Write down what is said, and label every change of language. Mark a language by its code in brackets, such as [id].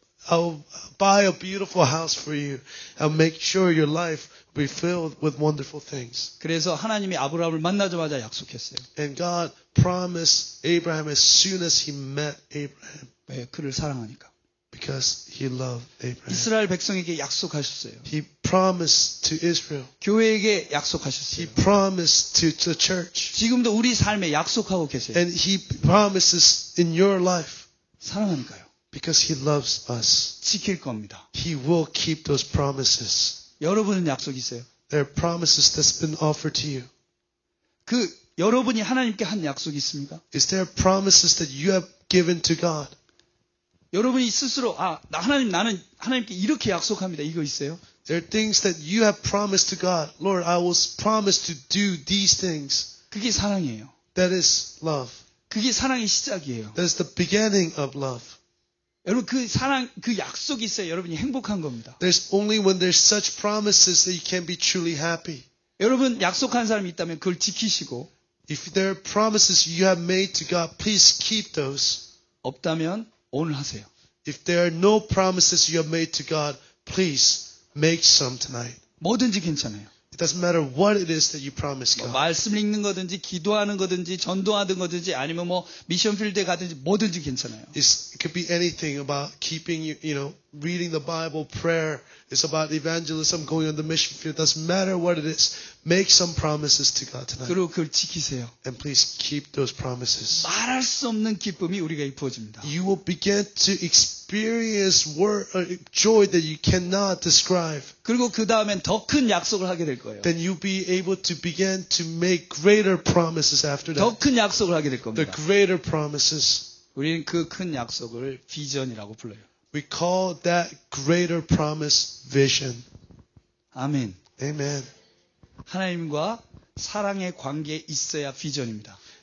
[en] I'll buy a beautiful house for you. I'll make sure your life will be filled with wonderful things. [ko] 그래서 하나님이 아브라함을 만나자마자 약속했어요. [en] And God promised Abraham as soon as he met Abraham. [ko] 왜? 그를 사랑하니까. [en] Because he loved Abraham. [ko] 이스라엘 백성에게 약속하셨어요. [en] He promised to Israel. [ko] 교회에게 약속하셨어요. [en] He promised to the church. [ko] 지금도 우리 삶에 약속하고 계세요. [en] And he promises in your life. [ko] 사랑하니까요. [en] Because he loves us. [ko] 지킬 겁니다. [en] He will keep those promises. [ko] 여러분은 약속 있어요? [en] There are promises that's been offered to you. [ko] 그 여러분이 하나님께 한 약속 있습니까? [en] Is there promises that you have given to God? [ko] 여러분이 스스로 아, 하나님 나는 하나님께 이렇게 약속합니다. 이거 있어요? [en] There are things that you have promised to God. Lord, I was promised to do these things. [ko] 그게 사랑이에요. [en] That is love. [ko] 그게 사랑의 시작이에요. [en] That's the beginning of love. [ko] 여러분 그 사랑 그 약속이 있어요. 여러분이 행복한 겁니다. [en] There's only when there's such promises that you can be truly happy. [ko] 여러분 약속한 사람이 있다면 그걸 지키시고 [en] If there are promises you have made to God, please keep those. [ko] 없다면 오늘 하세요. [en] If there are no promises you have made to God, please make some tonight. [ko] 뭐든지 괜찮아요. [en] It doesn't matter what it is that you promise God. [ko] 뭐 말씀을 읽는 거든지 기도하는 거든지 전도하는 거든지 아니면 뭐 미션 필드에 가든지 뭐든지 괜찮아요. [en] It could be anything about keeping you know reading the Bible, prayer. It's about evangelism, going on the mission field. It doesn't matter what it is. Make some promises to God tonight. [ko] 그리고 그걸 지키세요. [en] And please keep those promises. [ko] 말할 수 없는 기쁨이 우리가 이루어집니다. [en] You will begin to experience joy that you cannot describe. [ko] 그리고 그 다음엔 더 큰 약속을 하게 될 거예요. [en] Then you'll be able to begin to make greater promises after that. [ko] 더 큰 약속을 하게 될 겁니다. [en] The greater promises. [ko] 우리는 그 큰 약속을 비전이라고 불러요. [en] We call that greater promise vision. [ko] 아멘. [en] Amen. [ko] 하나님과 사랑의 관계 있어야 비전입니다.